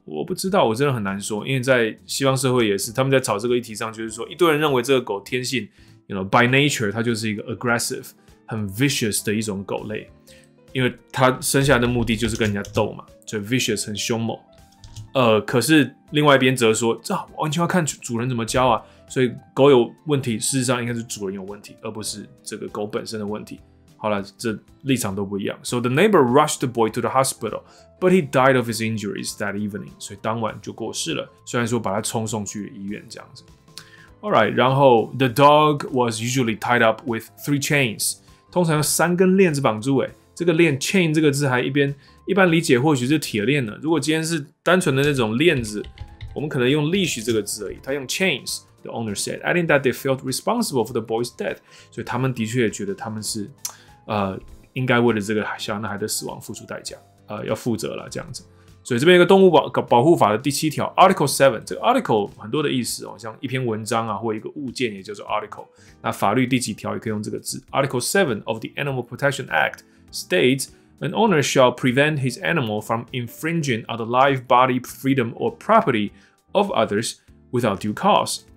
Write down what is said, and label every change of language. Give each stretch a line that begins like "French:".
Chinese: 我不知道，我真的很难说，因为在西方社会也是，他们在吵这个议题上，就是说一堆人认为这个狗天性 ，
English: you know by nature
Chinese: 它就是一个 aggressive， 很 vicious 的一种狗类，因为它生下来的目的就是跟人家斗嘛，所以 vicious 很凶猛。可是另外一边则说，这完全要看主人怎么教啊，所以狗有问题，事实上应该是主人有问题，而不是这个狗本身的问题。好了，这立场都不一样。
English: So the neighbor rushed the boy to the hospital, but he died of his injuries that evening.
Chinese: 所以当晚就过世了。虽然说把他冲送去医院这样子。
English: All right, 然后 the dog was usually tied up with three chains.
Chinese: 通常有三根链子绑住。哎，这个链 chain 这个字还一般理解或许是铁链呢。如果今天是单纯的那种链子，我们可能用 leash 这个字而已。他用 chains。
English: The owner said, adding that they felt responsible for the boy's death.
Chinese: 所以他们的确也觉得他们是。应该为了这个小男孩的死亡付出代价，要负责了这样子。所以这边有个动物保护法的第七条 ，Article 7。这个 Article 很多的意思哦，像一篇文章啊，或一个物件也叫做 Article。那法律第几条也可以用这个字
English: ，Article 7 of the Animal Protection Act states an owner shall prevent his animal from infringing on the life, body, freedom or property of others without due cause。